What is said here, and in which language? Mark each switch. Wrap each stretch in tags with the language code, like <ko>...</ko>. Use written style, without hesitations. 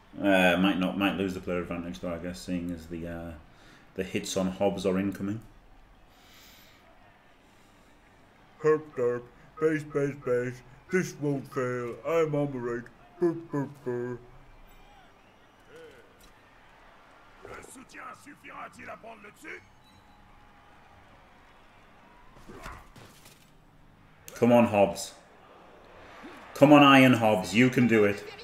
<en>Might lose the player advantage though, I guess, seeing as the hits on Hobbs are incoming. Herp derp, base, this won't fail, I'm on the right. Burr.</en> <fr>Le soutien suffira-t-il à prendre le dessus?</fr> <en>Come on, Hobbs. Come on, Iron Hobbs, you can do it.</en>